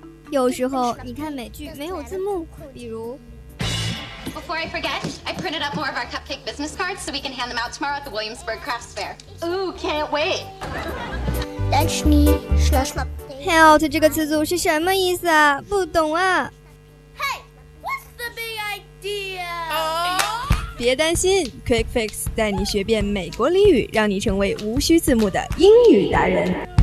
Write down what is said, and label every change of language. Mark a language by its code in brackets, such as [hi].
[zh] 有时候你看美剧没有字幕，比如。 [en] Before I forget, I printed up more of our cupcake business cards so we can hand them out tomorrow at the Williamsburg Crafts Fair. Ooh, can't wait. That's me. Slash up. [zh] Help 这个词组是什么意思啊？不懂啊。 [en] Hey, what's the big idea?、 [zh] 别担心 ，Quick Fix 带你学遍美国俚语，让你成为无需字幕的英语达人。